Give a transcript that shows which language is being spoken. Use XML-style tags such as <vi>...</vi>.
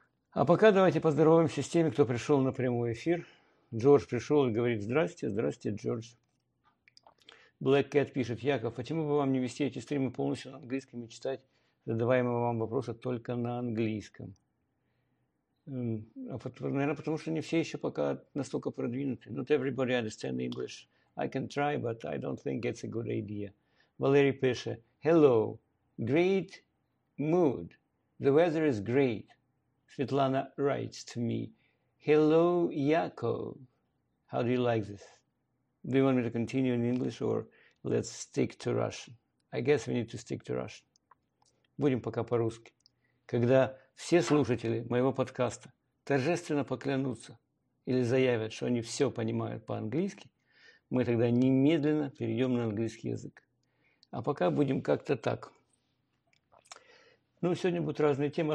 <ru>А пока давайте поздороваемся с теми, кто пришел на прямой эфир. Джордж пришел и говорит: «Здрасте, здрасте, Джордж». Black Cat пишет: «Яков, почему бы вам не вести эти стримы полностью на английском и читать задаваемые вам вопросы только на английском?» Наверное, потому что не все еще пока настолько продвинуты.</ru> <en>Not everybody understand English. I can try, but I don't think it's a good idea.</en> <ru>Валерий пишет:</ru> <en>«Hello, great mood. The weather is great. Светлана writes to me. Hello, Yakov. How do you like this? Do you want me to continue in English or let's stick to Russian? I guess we need to stick to Russian.</en> <ru>Будем пока по-русски. Когда все слушатели моего подкаста торжественно поклянутся или заявят, что они все понимают по-английски, мы тогда немедленно перейдем на английский язык. А пока будем как-то так. Ну, сегодня будут разные темы.</ru>